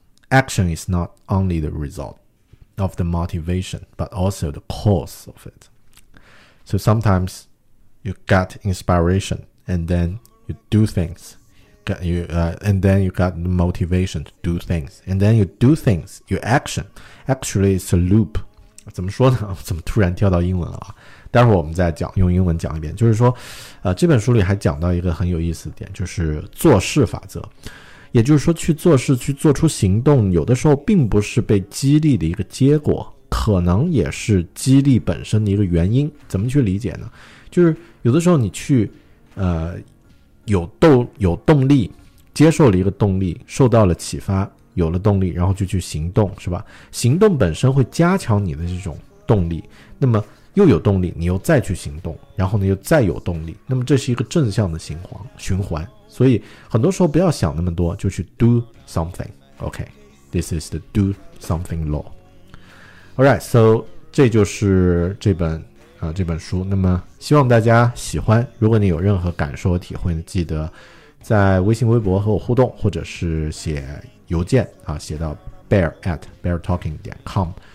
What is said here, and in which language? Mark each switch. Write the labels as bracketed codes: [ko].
[en] Action is not only the result of the motivation, but also the cause of it. So sometimes you get inspiration and then... You do things, and then you got the motivation to do things, and then you do things, you action. Actually, it's a loop. [zh] 怎么说呢？怎么突然跳到英文了啊？待会儿我们再讲，用英文讲一遍。就是说，这本书里还讲到一个很有意思的点，就是做事法则。也就是说，去做事，去做出行动，有的时候并不是被激励的一个结果，可能也是激励本身的一个原因。怎么去理解呢？就是有的时候你去有动力，接受了一个动力，受到了启发，有了动力，然后就去行动，是吧？行动本身会加强你的这种动力，那么又有动力，你又再去行动，然后呢又再有动力，那么这是一个正向的循环。所以很多时候不要想那么多，就去 [en] do something。 OK, This is the do something law. Alright, so [zh] 这就是这本这本书，那么希望大家喜欢。如果你有任何感受和体会，记得在微信微博和我互动，或者是写邮件写到 bear@beartalking.com。